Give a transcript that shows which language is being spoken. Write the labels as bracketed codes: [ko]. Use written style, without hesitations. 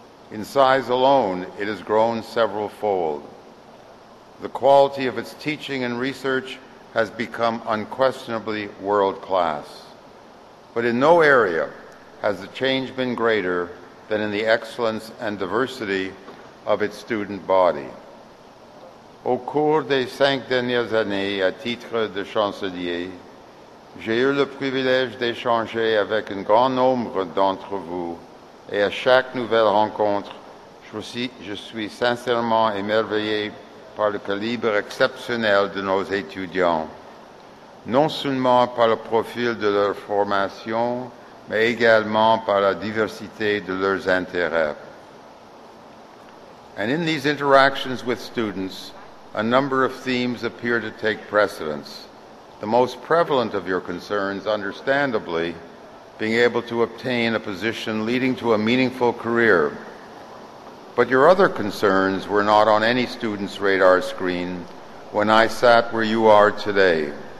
[en] In size alone, it has grown several fold. The quality of its teaching and research has become unquestionably world class. But in no area has the change been greater than in the excellence and diversity of its student body. [fr] Au cours des cinq dernières années, à titre de chancelier, j'ai eu le privilège d'échanger avec un grand nombre d'entre vous, et à chaque nouvelle rencontre, je suis sincèrement émerveillé par le calibre exceptionnel de nos étudiants, non seulement par le profil de leur formation, mais également par la diversité de leurs intérêts. [en] And in these interactions with students, a number of themes appear to take precedence. The most prevalent of your concerns, understandably, being able to obtain a position leading to a meaningful career. But your other concerns were not on any student's radar screen when I sat where you are today.